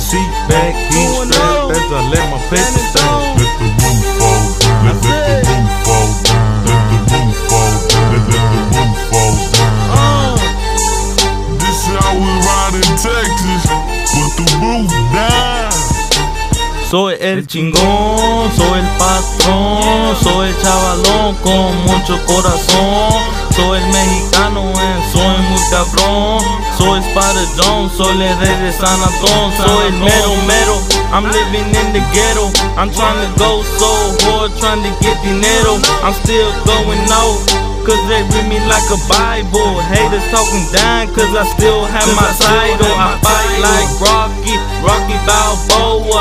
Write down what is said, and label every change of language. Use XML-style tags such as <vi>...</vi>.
<en>Seat back, each step as I let my paper stack. Let the roof fall down, let the roof fall down. Let the roof fall down, let the roof fall down. This is how we ride in Texas, put the roof down.</en> <es>Soy el chingón, soy el patrón, soy el chavalón con mucho corazón. Soy el mexicano, soy muy cabrón. Soy Spider Jones, soy el rey de San Antonio. Soy el mero mero,</es> <en>I'm living in the ghetto. I'm trying to go so hard, trying to get dinero. I'm still going out, cause they read me like a Bible. Haters talking down, cause I still have my title. I fight like Rocky, Rocky Balboa.</en>